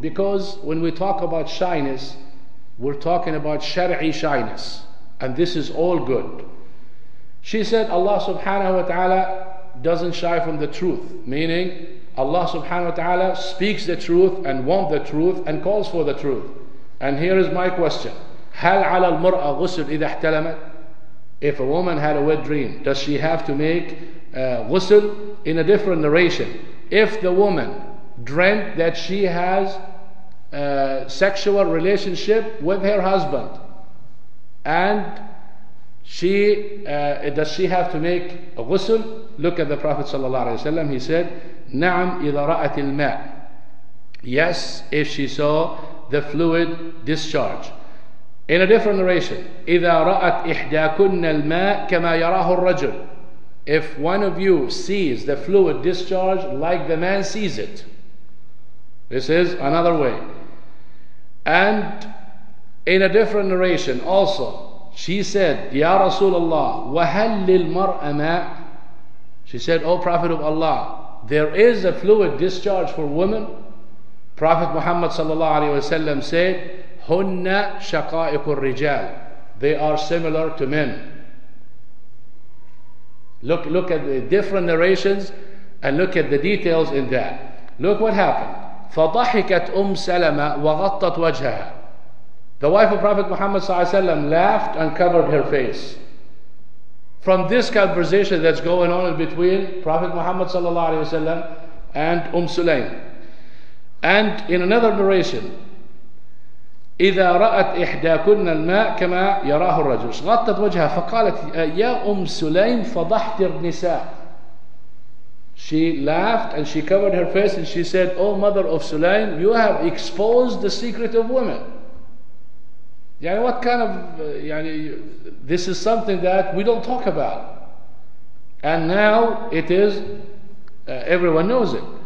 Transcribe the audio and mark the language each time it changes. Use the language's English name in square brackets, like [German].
[English] Because when we talk about shyness, we're talking about shari'i shyness. And this is all good. She said, Allah subhanahu wa ta'ala doesn't shy from the truth. Meaning, Allah subhanahu wa ta'ala speaks the truth and wants the truth and calls for the truth. And here is my question. [Arabic] هل على المرأة غسل إذا احتلمت? [English] If a woman had a wet dream, does she have to make غسل? In a different narration, if the woman dreamt that she has a sexual relationship with her husband, and she does she have to make a غسل? Look at the Prophet sallallahu alaihi wasallam. He said, [Arabic] نعم إذا رأت الماء. [English] Yes, if she saw the fluid discharge. In a different narration, [Arabic] إذا رأت إحداكن الماء كما يراه الرجل. [English] If one of you sees the fluid discharge like the man sees it. This is another way. And in a different narration also, she said, [Arabic] يا رسول الله وهل للمرء ماء? [English] She said, O Prophet of Allah, there is a fluid discharge for women. Prophet Muhammad sallallahu alaihi wasallam said, [Arabic] Hunna shaqa'iqur rijal. [English] They are similar to men. Look at the different narrations and look at the details in that. Look what happened. [Arabic] فضحكت Salama وغطت وجهها. [English] The wife of Prophet Muhammad sallallahu alaihi wasallam laughed and covered her face. From this conversation that's going on in between Prophet Muhammad sallallahu alaihi wasallam and Sulaim. And in another narration, [Arabic] إِذَا رَأَتْ إِحْدَاكُنَّ الْمَاءِ كَمَا يَرَاهُ الرَّجُلُ غَطَّتْ وَجْهَا فَقَالَتْ يَا سُلَيْمْ فَضَحْتِ النِّسَاءِ. [English] She laughed and she covered her face and she said, O mother of Sulaim, you have exposed the secret of women. Yani what kind of, this is something that we don't talk about. And now it is, everyone knows it.